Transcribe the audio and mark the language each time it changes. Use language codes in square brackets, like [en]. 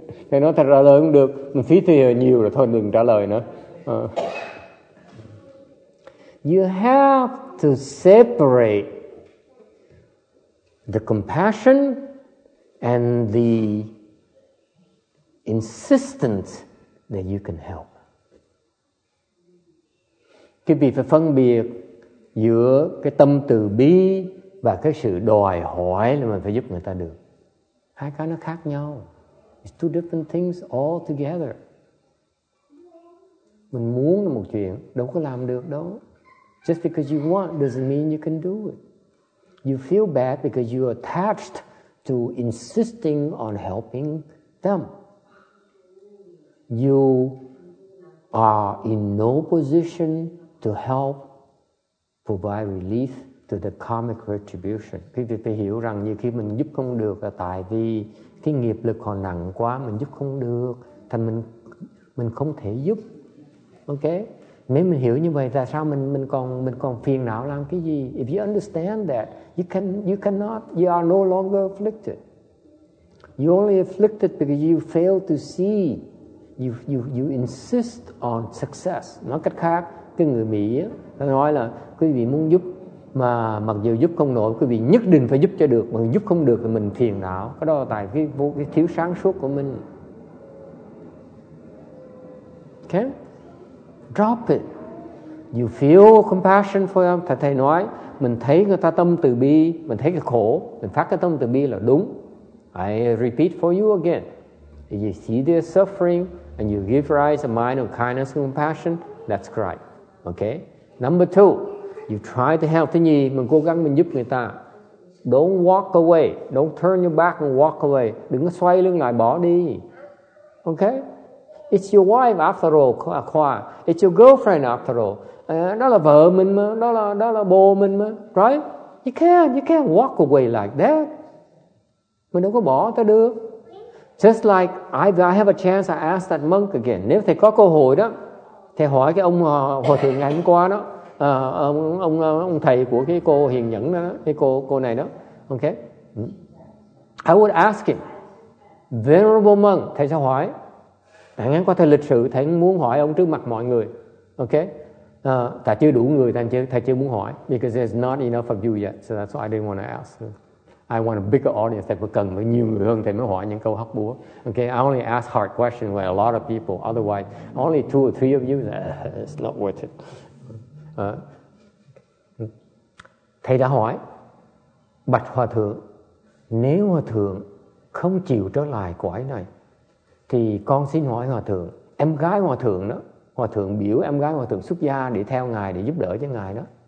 [vi] Thầy nói thật ra lời cũng được, mình phí thời nhiều rồi thôi đừng trả lời nữa. [en] You have to separate the compassion and the insistence that you can help. [vi] Cái việc phải phân biệt giữa cái tâm từ bi và cái sự đòi hỏi là mình phải giúp người ta được. Hai cái nó khác nhau. [en] It's two different things all together. [vi] Mình muốn là một chuyện, đâu có làm được đâu. [en] Just because you want doesn't mean you can do it. You feel bad because you're attached to insisting on helping them. You are in no position to help provide relief to the karmic retribution. [vi] Quý vị phải hiểu rằng như khi mình giúp không được là tại vì cái nghiệp lực còn nặng quá, mình giúp không được, thành mình không thể giúp. Ok? Nếu mình hiểu như vậy, tại sao mình còn phiền não làm cái gì? [en] If you understand that, you are no longer afflicted. You only afflicted because you fail to see. You insist on success. [vi] Nói cách khác, cái người Mỹ nó nói là quý vị muốn giúp mà mặc dù giúp không nổi, quý vị nhất định phải giúp cho được, mà giúp không được thì mình phiền não. Cái đó là tại cái thiếu sáng suốt của mình. [en] Okay, drop it. You feel compassion for them. [vi] Thầy nói mình thấy người ta tâm từ bi, mình thấy cái khổ, mình phát cái tâm từ bi là đúng. [en] I repeat for you again. If you see their suffering and you give rise a mind of kindness and compassion, that's right. Okay. Number two, you try to help. [vi] Thứ nhì, mình cố gắng mình giúp người ta. [en] Don't walk away. Don't turn your back and walk away. [vi] Đừng có xoay lưng lại bỏ đi. [en] Okay. It's your wife after all, Khoa. It's your girlfriend after all. [vi] Đó là vợ mình mà. [en] Đó là bồ mình mà. Right? You can't walk away like that. [vi] Mình đâu có bỏ ta được. [en] Just like I have a chance, I ask that monk again. [vi] Nếu thầy có cơ hội đó, thầy hỏi cái ông hòa thượng ngày hôm qua đó, ông thầy của cái cô hiền nhẫn đó, cái cô này đó, okay? [en] I would ask him, venerable monk, [vi] thầy sẽ hỏi, ngày hôm qua thầy lịch sự, thầy muốn hỏi ông trước mặt mọi người, okay? Tại chưa đủ người, thầy chưa muốn hỏi, [en] because there's not enough of you yet, so that's why I didn't want to ask. I want a bigger audience. [vi] Thầy cần phải nhiều người hơn, thầy mới hỏi những câu hóc búa. [en] Okay, I only ask hard questions with a lot of people. Otherwise, only two or three of you, it's not worth it. [vi] Thầy đã hỏi, bạch hòa thượng, nếu hòa thượng không chịu trở lại cõi này, thì con xin hỏi hòa thượng, em gái hòa thượng đó, hòa thượng biểu em gái hòa thượng xuất gia để theo ngài, để giúp đỡ cho ngài đó.